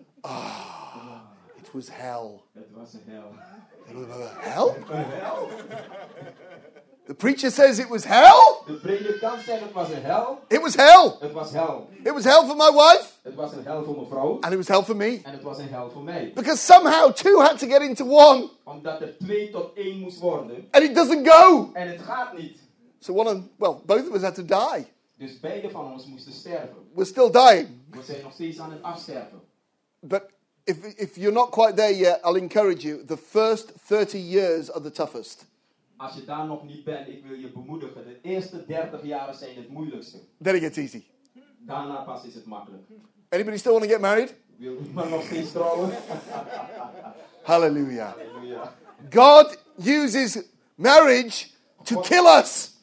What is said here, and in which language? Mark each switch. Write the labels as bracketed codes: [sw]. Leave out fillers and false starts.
[en] Ah, it was hell. [nl] Het was hell. [en] Hell? The preacher says it was hell? [nl] De predikant zegt het was een hel. [en] It was hell. [nl] Het was hel. [en] It was hell for my wife. [nl] Het was een hel voor mijn vrouw. [en] And it was hell for me. [nl] En het was een hel voor mij. [en] Because somehow two had to get into one. [nl] Omdat er 2 tot 1 moest worden. [en] And it doesn't go. [nl] En het gaat niet. [en] So one of, well, both of us had to die. [nl] Dus beide van ons moesten sterven. [en] We're still dying. [nl] We zijn nog steeds aan het afsterven. [en] But if you're not quite there yet, I'll encourage you. The first 30 years are the toughest. [nl] Als je daar nog niet bent, ik wil je bemoedigen. De eerste 30 jaren zijn het moeilijkste. [en] Then it gets easy. [nl] Daarna pas is het makkelijk. [en] Anybody still want to get married? [nl] Wil iemand nog steeds trouwen? Hallelujah. Halleluja. [en] God uses marriage to kill us.